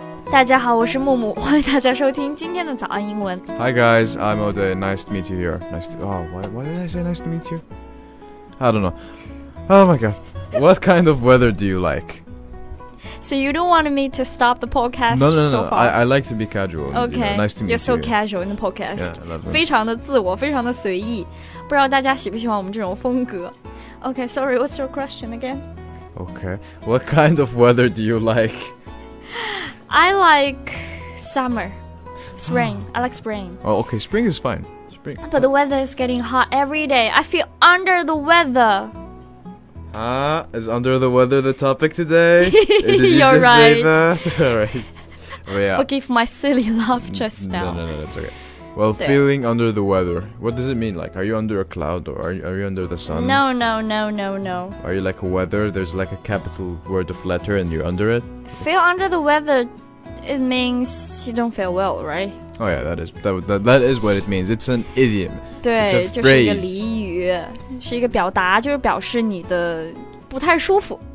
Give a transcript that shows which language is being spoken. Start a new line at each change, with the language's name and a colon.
Chinese: 大家好，我是木木，欢迎大家收听今天的早安英文。
English: Hi guys, I'm Ode. Nice to meet you here. Nice to. Oh, why did I say nice to meet you? I don't know. Oh my god, what kind of weather do you like? So you don't want me to stop the podcast so far? No. I like to be casual. Okay. You know, nice to meet you're so you. Casual in the podcast. Yeah, lovely.
Chinese: 非常的自我，非常的随意。不知道大家喜不喜欢我们这种风格。
English: Okay, sorry, what's your question again? Okay, what kind of weather do you like? I like summer. Spring. I like spring. Oh, okay, spring is fine. Spring. But the weather is getting hot every day. I feel under the weather. Is under the weather the topic today? You're right. All right. Well, yeah. Forgive my silly laugh just now. No, that's okay. Well, so, feeling under the weather, what does it mean? Like, are you under a cloud or are you under the sun? No. Are you like a weather? There's like a capital word of letter and you're under it? Feel under the weather, it means you don't feel well, right? Oh yeah, that is what it means. It's an idiom.
Chinese: 对
English: It's a phrase.
Chinese: 就是一个俚语，是一个表达，就是表示你的不太舒服。